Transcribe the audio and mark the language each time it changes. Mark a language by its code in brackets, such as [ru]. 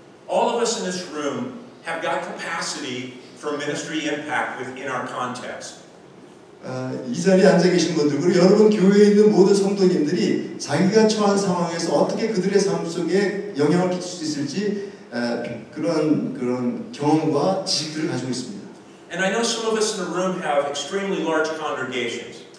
[en] All of us in this room have got capacity for ministry impact within our context. [ko] 이 자리에 앉아 계신 분들 그리고 여러분 교회에 있는 모든 성도님들이 자기가 처한 상황에서 어떻게 그들의 삶 속에 영향을 끼칠 수 있을지 그런 경험과 지식들을 가지고 있습니다. [en] And I know some of us in the room have extremely large congregations.